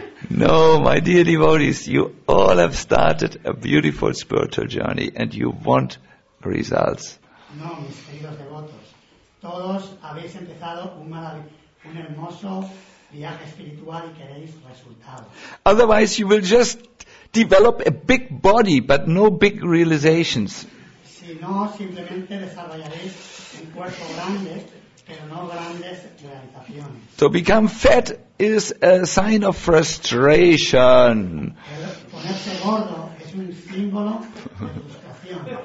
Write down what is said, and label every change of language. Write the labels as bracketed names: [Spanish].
[English] No, my dear devotees, you all have started a beautiful spiritual journey and you want results. [Spanish] No, mis queridos devotos, todos habéis empezado un hermoso viaje espiritual y queréis resultados. [English] Otherwise you will just develop a big body but no big realizations. [Spanish] Si no, simplemente desarrollaréis un cuerpo grande, pero no grandes realizaciones. [English] To become fat is a sign of frustration. [Spanish] Ponerse gordo es un símbolo de frustración.